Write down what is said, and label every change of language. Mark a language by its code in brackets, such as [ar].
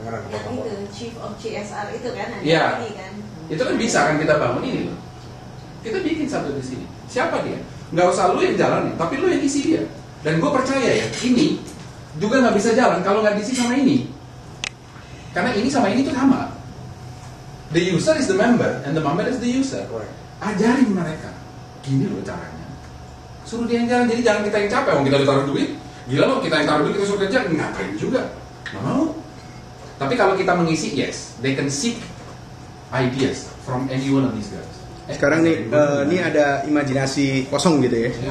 [id] cara apa? Chief of CSR itu kan ada yeah. Kan. Itu kan bisa kan kita bangun ini loh. Kita bikin satu di sini. Siapa dia? Enggak usah lu yang jalanin, tapi lu yang isi dia. Dan gua percaya ya, ini juga enggak bisa jalan kalau enggak diisi sama ini. Karena ini sama ini tuh sama. [en] The user is the member and the member is the user. Right. [id] Ajarin mereka gini loh caranya. Suruh dia yang jalan, jadi jangan kita yang capek, kita ditaruh duit. Gila loh, kita yang taruh duit, kita suruh kerja, ngapain juga. Mau. Tapi kalau kita mengisi, [en] yes, they can seek ideas from any one of these guys. [id] Sekarang nih, ini ada imajinasi kosong gitu ya.